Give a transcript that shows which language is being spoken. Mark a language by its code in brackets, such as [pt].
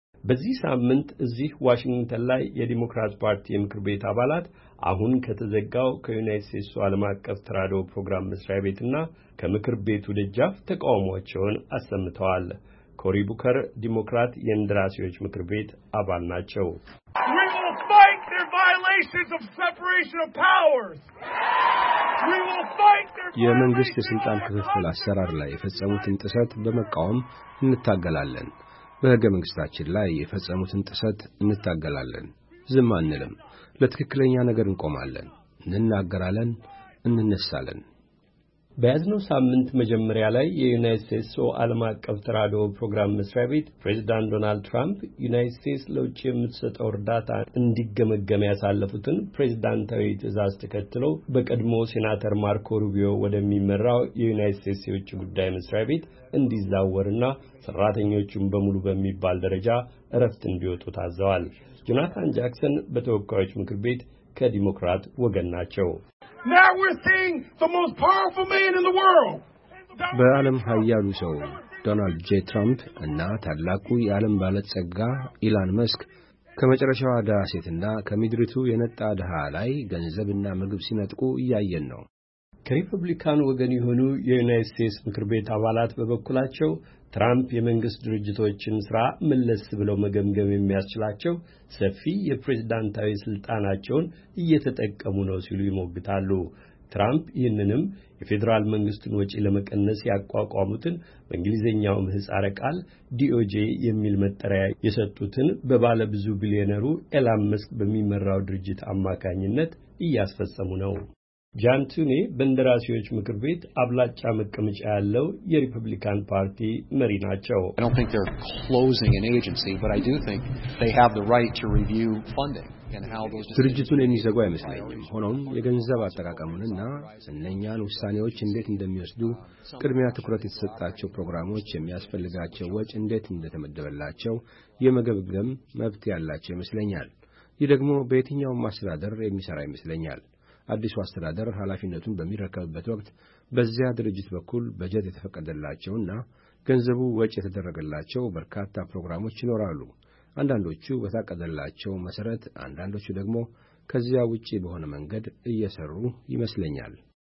[am] በዚህ ሳምንት እዚህ ዋሽንግተን ላይ የዲሞክራት ፓርቲ ምክር ቤት አባላት አሁን ከተዘጋው ከዩናይትድ ስቴትስ ዓለም አቀፍ ተራድኦ ፕሮግራም መስሪያ ቤትና ከምክር ቤቱ ደጃፍ ተቃውሞቸውን አሰምተዋል። ኮሪ ቡከር ዲሞክራት የእንደራሴዎች ምክር ቤት አባል ናቸው። [en] We will fight their violations of separation of powers. We will fight their violations. [am] የመንግስት ስልጣን ክፍፍል አሰራር ላይ የፈጸሙትን ጥሰት በመቃወም እንታገላለን። በሕገ መንግስታችን ላይ የፈጸሙትን ጥሰት እንታገላለን። ዝም አንልም። ለትክክለኛ ነገር እንቆማለን። እንናገራለን፣ እንነሳለን። በያዝነው ሳምንት መጀመሪያ ላይ የዩናይትድ ስቴትስ ዓለም አቀፍ ተራድኦ ፕሮግራም መስሪያ ቤት ፕሬዝዳንት ዶናልድ ትራምፕ ዩናይትድ ስቴትስ ለውጭ የምትሰጠው እርዳታ እንዲገመገም ያሳለፉትን ፕሬዝዳንታዊ ትዕዛዝ ተከትሎ በቀድሞ ሴናተር ማርኮ ሩቢዮ ወደሚመራው የዩናይትድ ስቴትስ የውጭ ጉዳይ መስሪያ ቤት እንዲዛወርና ሰራተኞቹን በሙሉ በሚባል ደረጃ እረፍት እንዲወጡ ታዘዋል። ጆናታን ጃክሰን በተወካዮች ምክር ቤት ከዲሞክራት ወገን ናቸው። [en] Now we're seeing the most powerful man in the world. [am] በዓለም ሀያሉ ሰው ዶናልድ ጄ ትራምፕ እና ታላቁ የዓለም ባለጸጋ ኢላን መስክ ከመጨረሻው ደሃ ሴትና ከምድርቱ የነጣ ደሃ ላይ ገንዘብና ምግብ ሲነጥቁ እያየን ነው። ከሪፐብሊካን ወገን የሆኑ የዩናይትድ ስቴትስ ምክር ቤት አባላት በበኩላቸው ትራምፕ የመንግስት ድርጅቶችን ሥራ መለስ ብለው መገምገም የሚያስችላቸው ሰፊ የፕሬዝዳንታዊ ስልጣናቸውን እየተጠቀሙ ነው ሲሉ ይሞግታሉ። ትራምፕ ይህንንም የፌደራል መንግስቱን ወጪ ለመቀነስ ያቋቋሙትን በእንግሊዘኛው ምህጻረ ቃል ዲኦጄ የሚል መጠሪያ የሰጡትን በባለ ብዙ ቢሊዮነሩ ኤላን መስክ በሚመራው ድርጅት አማካኝነት እያስፈጸሙ ነው። ጃን ቱኒ በእንደራሴዎች ምክር ቤት አብላጫ መቀመጫ ያለው የሪፐብሊካን ፓርቲ መሪ ናቸው። [en] I don't think they're closing an agency, but I do think they have the right to review funding and how those [am] ድርጅቱን የሚዘጉ አይመስለኝም። ሆኖም የገንዘብ አጠቃቀሙንና ስነኛን ውሳኔዎች እንዴት እንደሚወስዱ፣ ቅድሚያ ትኩረት የተሰጣቸው ፕሮግራሞች የሚያስፈልጋቸው ወጪ እንዴት እንደተመደበላቸው የመገብገም መብት ያላቸው ይመስለኛል። ይደግሞ በየትኛውም አስተዳደር የሚሰራ ይመስለኛል። አዲሱ አስተዳደር ኃላፊነቱን በሚረከብበት ወቅት በዚያ ድርጅት በኩል በጀት የተፈቀደላቸውና ገንዘቡ ወጪ የተደረገላቸው በርካታ ፕሮግራሞች ይኖራሉ። አንዳንዶቹ በታቀደላቸው መሰረት፣ አንዳንዶቹ ደግሞ ከዚያ ውጪ በሆነ መንገድ እየሰሩ ይመስለኛል።